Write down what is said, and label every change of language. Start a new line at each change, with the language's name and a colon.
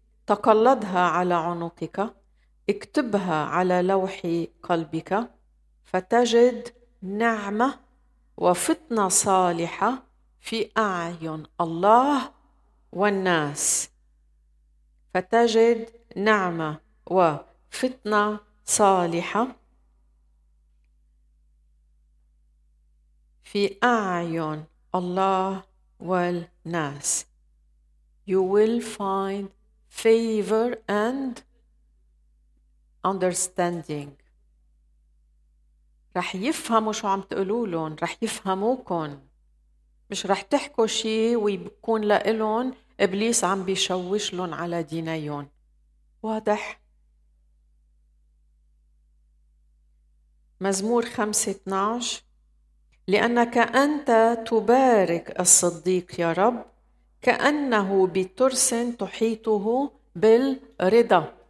Arabic: تقلدها على عنقك، اكتبها على لوح قلبك، فتجد نعمة وفتنة صالحة في أعين الله والناس. فتجد نعمة وفتنة صالحة في أعين الله والناس.
English: You will find favor and understanding.
Arabic: رح يفهموا شو عم تقولوا لهم، رح يفهموكن، مش رح تحكوا شيء ويكون لقلون إبليس عم بيشوش لهم على دينيون. واضح؟ مزمور 5:12: لأنك أنت تبارك الصديق يا رب، كأنه بترس تحيطه بالرضا.